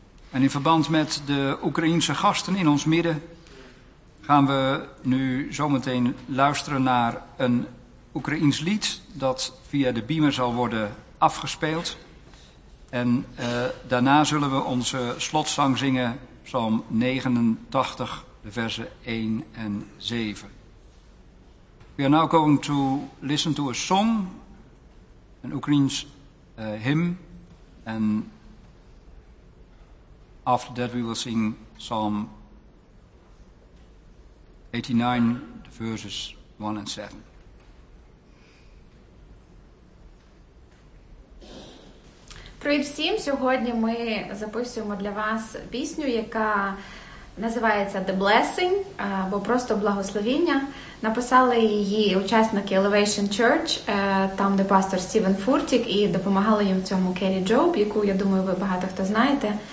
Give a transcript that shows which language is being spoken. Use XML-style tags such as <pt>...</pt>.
<nl>En in verband met de Oekraïense gasten in ons midden gaan we nu zometeen luisteren naar een Oekraïens lied dat via de beamer zal worden afgespeeld. En daarna zullen we onze slotzang zingen, Psalm 89, de versen 1 en 7.</nl> <en>We are now going to listen to a song, an Oekraïens hymn. And after that we will sing Psalm 89, the verses 1 and 7.</en> <uk>Привіт всім! Сьогодні ми записуємо для вас пісню, яка Називається The Blessing, або просто благословення. Написали її учасники Elevation Church, там, де пастор Стівен Фуртік, і допомагали їм в цьому Кері Джоб, яку, я думаю, ви багато хто знаєте.</uk>